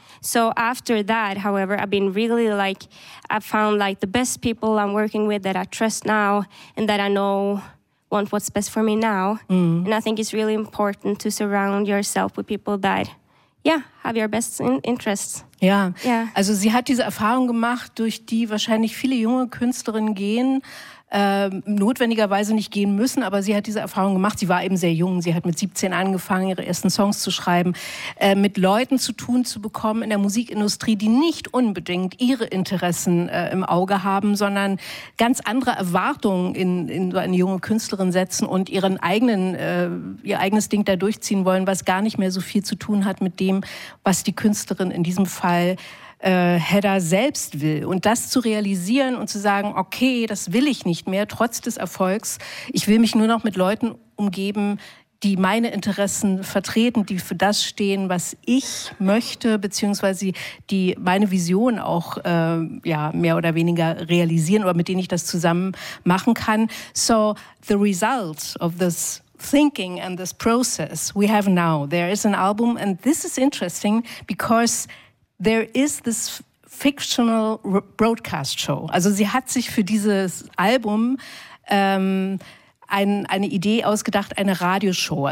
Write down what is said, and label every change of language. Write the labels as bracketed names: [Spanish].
[English] So after that, however, I've been really like, I've found like the best people I'm working with that I trust now and that I know want what's best for me now. Mm. And I think it's really important to surround yourself with people that, have your best interests. [German] Ja, also sie hat diese Erfahrung gemacht, durch die wahrscheinlich viele junge Künstlerinnen gehen, notwendigerweise nicht gehen müssen, aber sie hat diese Erfahrung gemacht. Sie war eben sehr jung. Sie hat mit 17 angefangen, ihre ersten Songs zu schreiben, mit Leuten zu tun zu bekommen in der Musikindustrie, die nicht unbedingt ihre Interessen im Auge haben, sondern ganz andere Erwartungen in so eine junge Künstlerin setzen und ihr eigenes Ding da durchziehen wollen, was gar nicht mehr so viel zu tun hat mit dem, was die Künstlerin in diesem Fall Hedda selbst will. Und das zu realisieren und zu sagen, okay, das will ich nicht mehr, trotz des Erfolgs. Ich will mich nur noch mit Leuten umgeben, die meine Interessen vertreten, die für das stehen, was ich möchte, beziehungsweise die meine Vision auch mehr oder weniger realisieren oder mit denen ich das zusammen machen kann. [English] So the result of this thinking and this process we have now, there is an album, and this is interesting because there is this fictional broadcast show. [German] Also sie hat sich für dieses Album eine Idee ausgedacht, eine Radioshow.